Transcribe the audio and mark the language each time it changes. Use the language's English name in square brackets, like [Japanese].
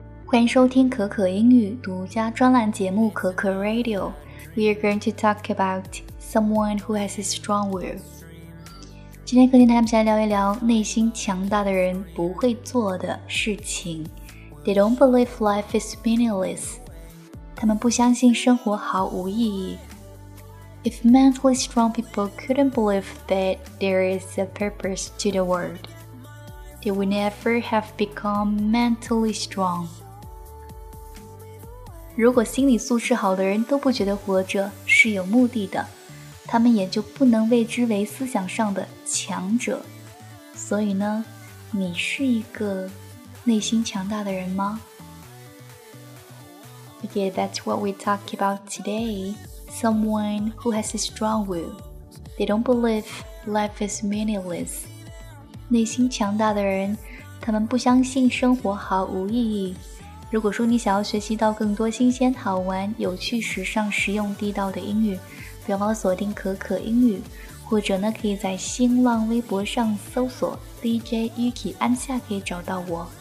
[Chinese] 欢迎收听可可英语独家专栏节目可可 Radio. [English] We are going to talk about someone who has a strong will. [Chinese] 今天和您来聊一聊内心强大的人不会做的事情。 [English] They don't believe life is meaningless. [Chinese] 他们不相信生活毫无意义。 [English] If mentally strong people couldn't believe that there is a purpose to the world, they would never have become mentally strong. [Chinese] 如果心理素质好的人都不觉得活着是有目的的，他们也就不能谓之为思想上的强者。所以呢，你是一个内心强大的人吗？ [English] Okay, that's what we talk about today. Someone who has a strong will. They don't believe life is meaningless. [Chinese] 内心强大的人，他们不相信生活毫无意义。如果说你想要学习到更多新鲜、好玩、有趣、时尚、实用、地道的英语，别忘了锁定可可英语，或者呢，可以在新浪微博上搜索 DJ Yuki 安夏，可以找到我。